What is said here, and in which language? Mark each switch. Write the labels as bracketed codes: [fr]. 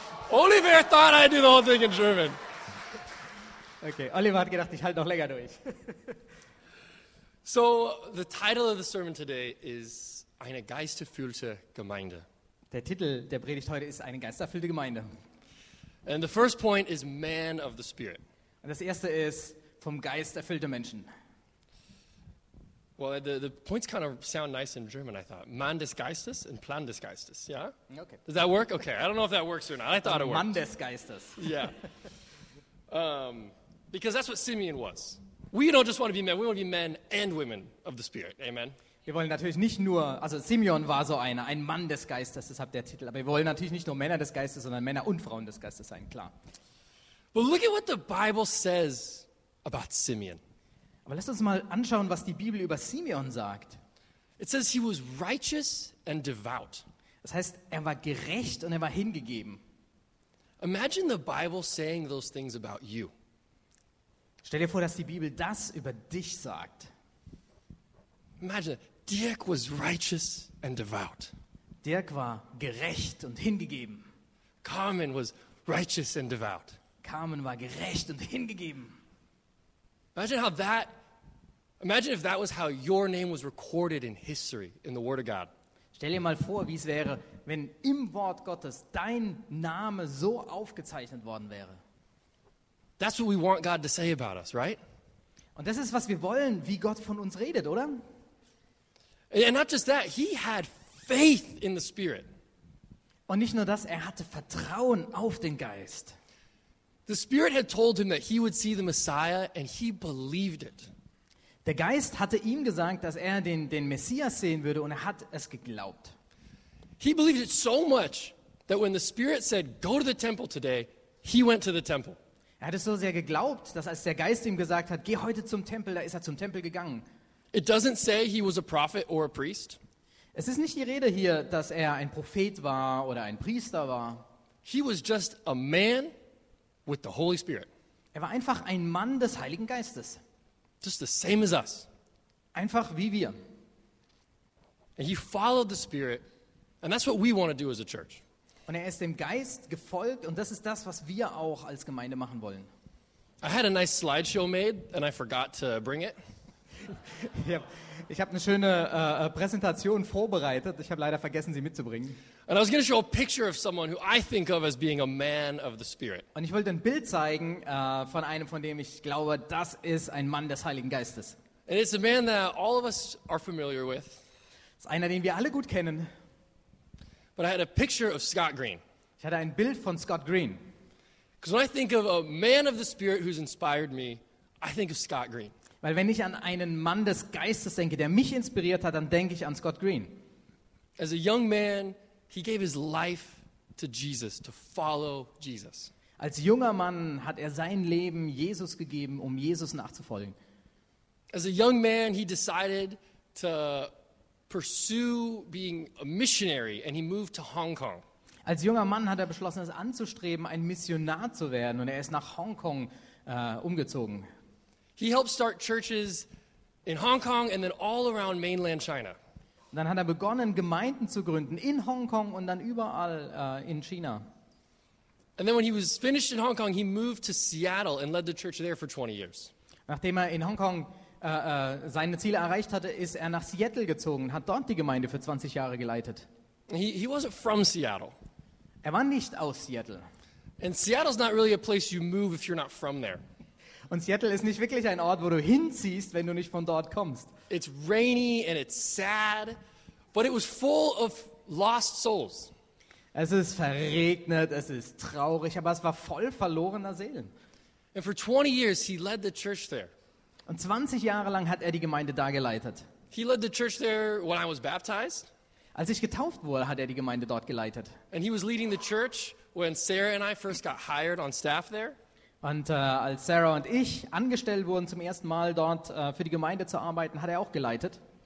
[en] Oliver thought I'd do the whole thing in German. [de] Okay, Oliver hat gedacht, ich halte noch länger durch. [en] So, the title of the sermon today is [de] Eine geisterfüllte Gemeinde. Der Titel der Predigt heute ist Eine geisterfüllte Gemeinde. [en] And the first point is man of the spirit. [de] Und das erste ist vom Geist erfüllte Menschen. [en] Well, the points kind of sound nice in German, I thought. [de] Mann des Geistes [en] and [de] Plan des Geistes, [en] yeah? Okay. Does that work? Okay, I don't know if that works or not. I thought it worked. [de] Mann des Geistes. [en] Yeah. Because that's what Simeon was. We don't just want to be men. We want to be men and women of the Spirit. Amen. [de] Wir wollen natürlich nicht nur, also Simeon war so einer, ein Mann des Geistes, deshalb der Titel. Aber wir wollen natürlich nicht nur Männer des Geistes, sondern Männer und Frauen des Geistes sein, klar. [en] But look at what the Bible says about Simeon. [de] Aber lass uns mal anschauen, was die Bibel über Simeon sagt. [en] It says he was righteous and devout. [de] Das heißt, er war gerecht und er war hingegeben. [en] Imagine the Bible saying those things about you. [de] Stell dir vor, dass die Bibel das über dich sagt. [en] Imagine, Dirk was righteous and devout. [de] Dirk war gerecht und hingegeben. [en] Carmen was righteous and devout. [de] Carmen war gerecht und hingegeben. [en] Imagine if that was how your name was recorded in history, in the Word of God. [de] Stell dir mal vor, wie es wäre, wenn im Wort Gottes dein Name so aufgezeichnet worden wäre. [en] That's what we want God to say about us, right? [de] Und das ist, was wir wollen, wie Gott von uns redet, oder? [en] And not just that, he had faith in the Spirit. [de] Und nicht nur das, er hatte Vertrauen auf den Geist. [en] The Spirit had told him that he would see the Messiah, and he believed it. [de] Der Geist hatte ihm gesagt, dass er den Messias sehen würde, und er hat es geglaubt. [en] He believed it so much that when the Spirit said, "Go to the temple today," he went to the temple. [de] Er hat es so sehr geglaubt, dass als der Geist ihm gesagt hat, geh heute zum Tempel, da ist er zum Tempel gegangen. [en] It doesn't say he was a prophet or a priest. [de] Es ist nicht die Rede hier, dass er ein Prophet war oder ein Priester war. [en] He was just a man with the Holy Spirit. [de] Er war einfach ein Mann des Heiligen Geistes. [en] Just the same as us. [de] Einfach wie wir. [en] And he followed the Spirit, and that's what we want to do as a church. [de] Und er ist dem Geist gefolgt, und das ist das, was wir auch als Gemeinde machen wollen. [en] I had a nice slideshow made, and I forgot to bring it. [de] Ich habe eine schöne Präsentation vorbereitet. Ich habe leider vergessen, sie mitzubringen. [en] And I was going to show a picture of someone who I think of as being a man of the Spirit. [de] Und ich wollte ein Bild zeigen von einem, von dem ich glaube, das ist ein Mann des Heiligen Geistes. [en] And it's a man that all of us are familiar with. [de] Es ist einer, den wir alle gut kennen. [en] But I had a picture of Scott Green. [de] Ich hatte ein Bild von Scott Green. [en] Because when I think of a man of the Spirit who's inspired me, I think of Scott Green. [de] Weil wenn ich an einen Mann des Geistes denke, der mich inspiriert hat, dann denke ich an Scott Green. [en] As a young man, he gave his life to Jesus, to follow Jesus. [de] Als junger Mann hat er sein Leben Jesus gegeben, um Jesus nachzufolgen. [en] As a young man, he decided to pursue being a missionary and he moved to Hong Kong. [de] Als junger Mann hat er beschlossen, es anzustreben, ein Missionar zu werden, und er ist nach Hongkong umgezogen. [en] He helped start churches in Hong Kong and then all around mainland China. [de] Dann hat er begonnen, Gemeinden zu gründen in Hong Kong und dann überall in China. [en] And then when he was finished in Hong Kong, he moved to Seattle and led the church there for 20 years. [de] Nachdem er in Hong Kong seine Ziele erreicht hatte, ist er nach Seattle gezogen, hat dort die Gemeinde für 20 Jahre geleitet. [en] He wasn't from Seattle. [de] Er war nicht aus Seattle. [en] And Seattle's not really a place you move if you're not from there. [de] Und Seattle ist nicht wirklich ein Ort, wo du hinziehst, wenn du nicht von dort kommst. [en] It's rainy and it's sad, but it was full of lost souls. [de] Es ist verregnet, es ist traurig, aber es war voll verlorener Seelen. [en] And for 20 years he led the church there. [de] Und 20 Jahre lang hat er die Gemeinde da geleitet. [en] He led the church there when I was baptized. [de] Als ich getauft wurde, hat er die Gemeinde dort geleitet. [en] And he was leading the church when Sarah and I first got hired on staff there. [de] Und als Sarah und ich angestellt wurden, zum ersten Mal dort für die Gemeinde zu arbeiten, hat er auch geleitet.